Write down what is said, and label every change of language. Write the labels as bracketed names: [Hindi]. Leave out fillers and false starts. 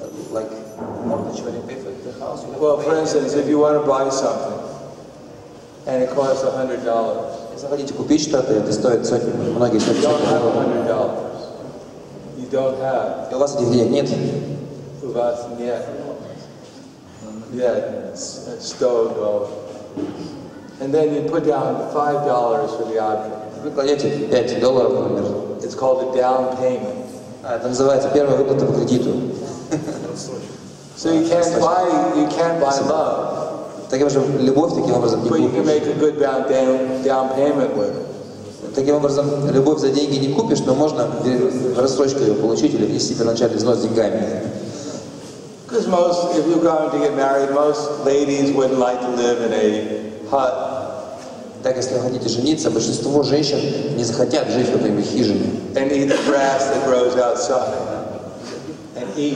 [English] Like mortgage when you pay for the house. Well, for instance, if you want to buy something and it costs $100. [Russian] Если хотите купить что-то, это стоит сотни, многие сотни. [English] You don't have $100. You don't have. [Russian] У вас этих денег нет? У вас нет. Yeah, stove dollars. [English] And then you put down $5 for the object. It's called a down payment. [Russian] Это называется первая выплата по кредиту. [English] So you can't buy love. [Russian] Таким образом, любовь таким образом не купишь. [English] But you can make a good down payment with it. [Russian] Таким образом, любовь за деньги не купишь, но можно в рассрочку ее получить или внести первоначальный взнос деньгами. [English] Because most, if you're going to get married, most ladies wouldn't like to live in a hut. [Russian] Так если вы хотите жениться, большинство женщин не захотят жить в какой-нибудь хижине. [English] And eat the grass that grows outside. And